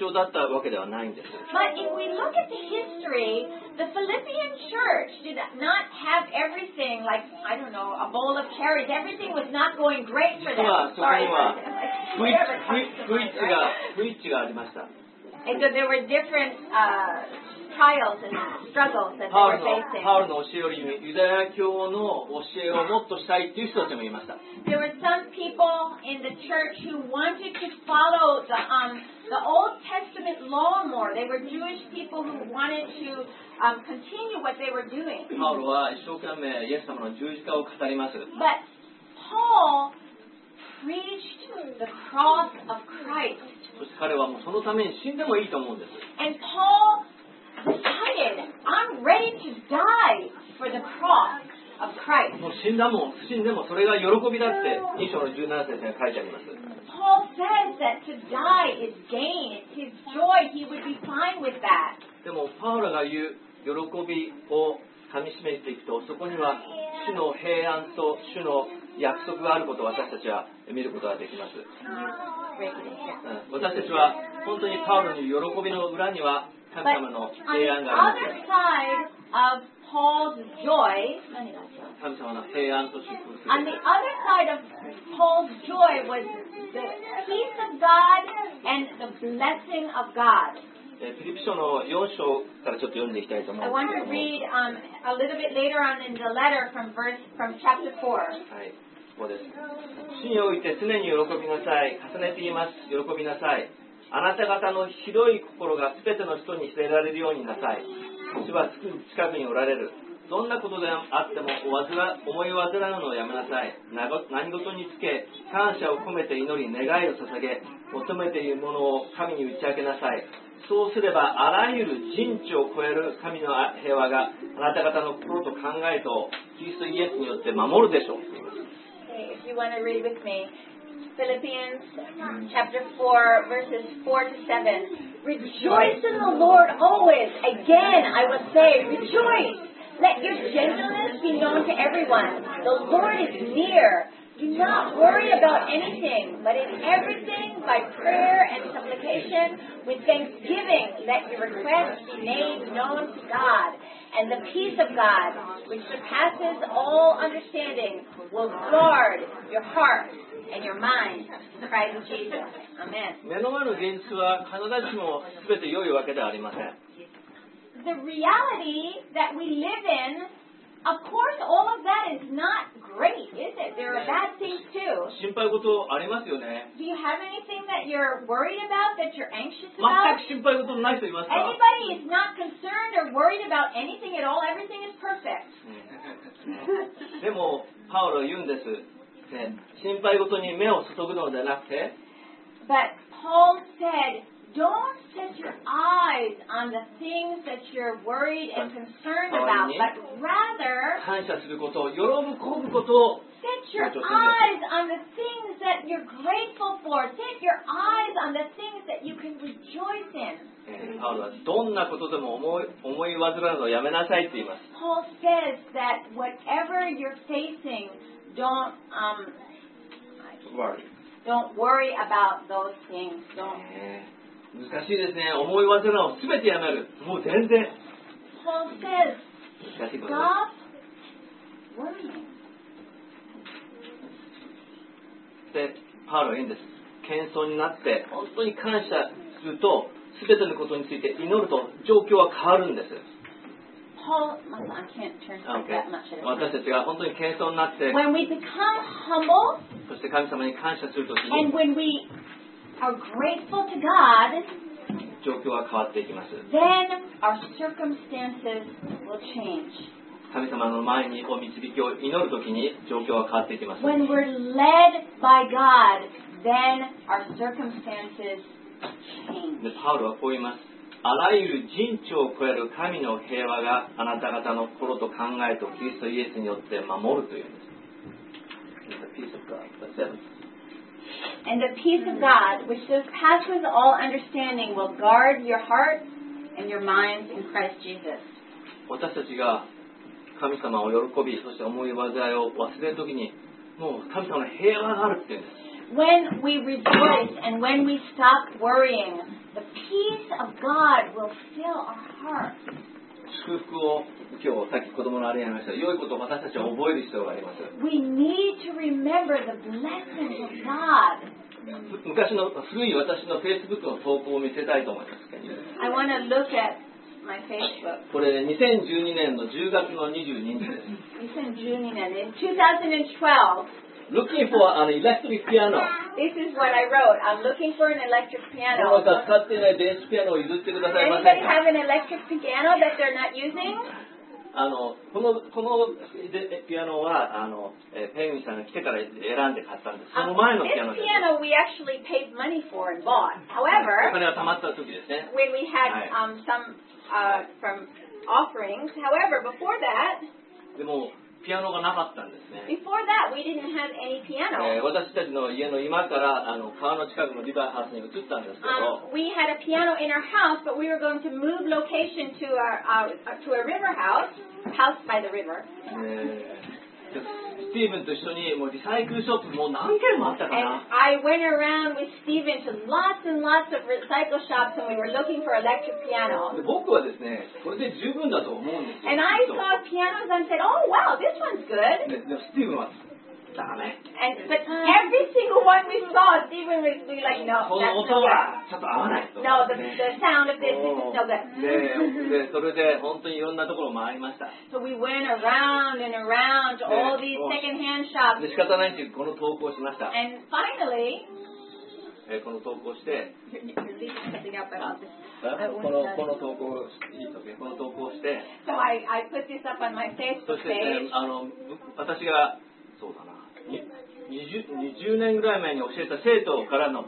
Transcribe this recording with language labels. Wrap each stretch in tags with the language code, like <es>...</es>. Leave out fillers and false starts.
<en>But if we look at the history, the Philippian church did not have everything, like, I don't know, a bowl of cherries. Everything was not going great for them. And so there were different trials and struggles that they were facing.</en> <ja>パウロの教えよりもユダヤ教の教えをもっとしたいという人たちもいました。</ja> <en>There were some people in the church who wanted to follow the Old Testament law more. They were Jewish people who wanted to continue what they were doing.</en> <ja>パウロは一生懸命イエス様の十字架を語ります。</ja> <en>But Paul preached the cross of Christ.</en> <ja>そして彼はもうそのために死んでもいいと思うんです。</ja> <en>And Paul decided, I'm ready to die for the cross of Christ.</en> <ja>もう死んでもそれが喜びだって2章の17節に書いてあります。</ja> <en>Paul says that to die is gain, it's his joy, he would be fine with that.</en> <ja>でもパウロが言う喜びをかみしめていくと、そこには主の平安と主の約束があることを私たちは見ることができます。私たちは本当にパウロの喜びの裏には神様の平安があります。神様の平安と祝福。</ja> <en>On the other side of Paul's joy was the peace of God and the blessing of God.</en> <ja>フィリピ書の4章からちょっと読んでいきたいと思います。</ja> <en>I want to read a little bit later on in the letter from chapter 4.</en> <ja>はい、ここです。主において常に喜びなさい。重ねて言います。喜びなさい。あなた方の広い心が全ての人に知れられるようになさい。主は近くにおられる。どんなことであってもお煩思い煩うのをやめなさい。何事につけ感謝を込めて祈り願いを捧げ求めているものを神に打ち明けなさい。そうすればあらゆる人知を超える神の平和があなた方の心と考えとキリストイエスによって守るでしょう。</ja> <en>Okay, if you want to read with me Philippians chapter 4 verses 4 to 7. Rejoice in the Lord always. Again I will say rejoice. Let your gentleness be known to everyone. The Lord is near. Do not worry about anything, but in everything by prayer and supplication with thanksgiving let your requests be made known to God. And the peace of God, which surpasses all understanding, will guard your heart and your mind in Christ Jesus. Amen.</en> <ja>目の前の現実は必ずしも全て良いわけではありません。</ja> <en>The reality that we live in, of course, all of that is not great, is it? There are bad things too.</en> <ja>心配事ありますよね。</ja> <en>Do you have anything that you're worried about, that you're anxious about? 全く心配事ない人いますか? Anybody is not concerned or worried about anything at all. Everything is perfect.</en> <ja>でも、パウロ言うんです。ね、心配事に目を注ぐのではなくて。</ja> <en>But Paul said,Don't set your eyes on the things that you're worried and concerned about, but rather</en> <ja>感謝すること、喜ぶことを</ja> <en>Set your eyes on the things that you're grateful for. Set your eyes on the things that you can rejoice in.</en> <ja>どんなことでも思い煩うのをやめなさいって言います。</ja> <en>Paul says that whatever you're facing, don't worry about those things. Don't</en> <ja>難しいですね。思い煩うのすべてやめる。もう全然。</ja> <en>Paul says,</en> <ja>難しいことです</ja> <en>。 Stop worrying.</en> <ja>で、パウロは言うんです。謙遜になって、本当に感謝すると、すべてのことについて祈ると、状況は変わるんです。私たちが本当に謙遜になって、</ja> <en>when we become humble,</en> <ja>そして神様に感謝するとき</ja> <en>and when weAre grateful to God,</en> <ja>状況は変わっていきます。</ja> <en>Then our circumstances will change.</en> <ja>神様の前にお導きを祈るときに状況は変わっていきます。</ja> <en>When we're led by God, then our circumstances change.</en> <ja>で、パウロはこう言います。あらゆる人知を超える神の平和があなた方の心と考えとキリストイエスによって守るというんです。</ja> <en>The peace of God, the seventh. And the peace of God, which surpasses all understanding, will guard your hearts and your minds in Christ Jesus.</en> <ja>私たちが神様を喜び、そして思い煩いを忘れるときに、もう神様の平和があるって言うんです。</ja> <en>When we rejoice and when we stop worrying, the peace of God will fill our hearts.</en> <ja>祝福を今日さっき子供のあれやりました。良いことを私たちは覚える必要があります。</ja> <en>We need to remember the blessings of God.</en> <ja>昔の古い私の Facebook の投稿を見せたいと思います。</ja> <en>I want to look at my Facebook.</en> <ja>これ、ね、2012年の10月の22日です。 2012年、2012.</ja> <en>Looking for an electric piano. This is what I wrote. I'm looking for an electric piano.</en> <ja>どうか使ってない電子ピアノを譲ってくださいませんか。</ja> <en>Anybody have an electric piano that they're not using?</en> <ja>このピアノはペインさんが来てから選んで買ったんです。その前のピアノです。</ja> <en>This piano we actually paid money for and bought. However,</en> <ja>お金が貯まった時ですね。</ja> <en>When we had some from offerings. However, before that,</en> <ja>でもピアノがなかったんですね。</ja> <en>Before that, we didn't have any piano.</en> <ja>私たちの家の今から川の近くのリバーハウスに移ったんですけど、</ja> <en>we had a piano in our house, but we were going to move location to a river house by the river.</en> <ja>スティーブンと一緒にもうリサイクルショップもう何軒もあったかな。</ja> <en>And I went around with Steven to lots and lots of recycle shops, and we were looking for electric piano.</en> <ja>僕はですね、これで十分だと思うんですよ。</ja> <en>And I saw pianos and said, "Oh, wow, this one's good."</en> <ja>スティーブンはダメ。</ja> <en>And but every single one we saw, Steven would be like, "No,</en> <ja>この音はちょっと合わない。</ja> <en>No, the sound of this is no good."</en> <ja>それで本当にいろんなところ回りました。</ja> <en>So we went around and around all these secondhand shops.</en> <ja>で仕方ないしこの投稿しました。</ja> <en>And finally,</en> <ja>この投稿して、この投稿この投稿して、</ja> <en>so I put this up on my Facebook page.</en> <ja>そして、私がそうだな、20年ぐらい前に教えた生徒からの、</ja>